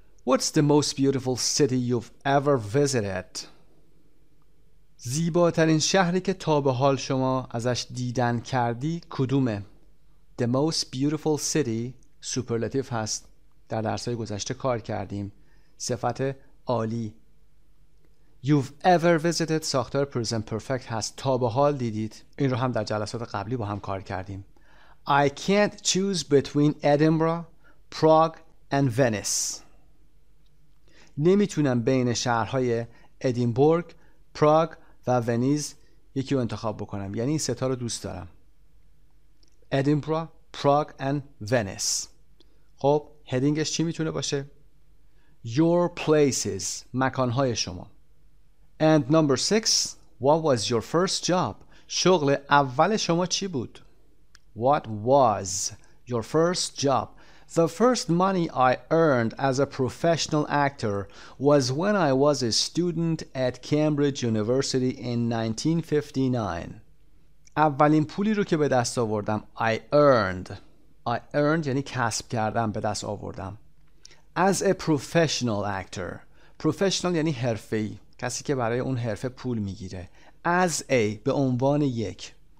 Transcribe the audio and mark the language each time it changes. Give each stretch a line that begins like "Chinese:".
English: What's the most beautiful city you've ever visited؟
Persian: زیباترین شهری که تا به حال شما ازش دیدن کردی کدومه؟
English: The most beautiful city superlative هست.
Persian: در درس‌های گذشته کار کردیم. صفت عالی.
English: You've ever visited
Persian: ساختار present perfect هست. تا به حال دیدید. این رو هم در جلسات قبلی با هم کار کردیم.
English: I can't choose between Edinburgh, Prague and Venice.
Persian: نمیتونم بین شهرهای ادینبورگ، پراگ و ونیز یکی رو انتخاب بکنم، یعنی این ستا رو دوست دارم. ادینبرو، پراگ و ونیز. خب، هدینگش چی میتونه باشه؟
English: Your places،
Persian: مکانهای شما.
English: And number 6، What was your first job؟
Persian: شغل اول شما چی بود؟
English: What was your first job؟ The first money I earned as a professional actor was when I was a student at Cambridge University in 1959.
Persian: اولین پولی رو که به دست آوردم
English: I earned
Persian: یعنی کسب کردم، به دست آوردم.
English: As a professional actor.
Persian: Professional یعنی حرفه‌ای، کسی که برای اون حرفه پول میگیره.
English: As a
Persian: به عنوان یک.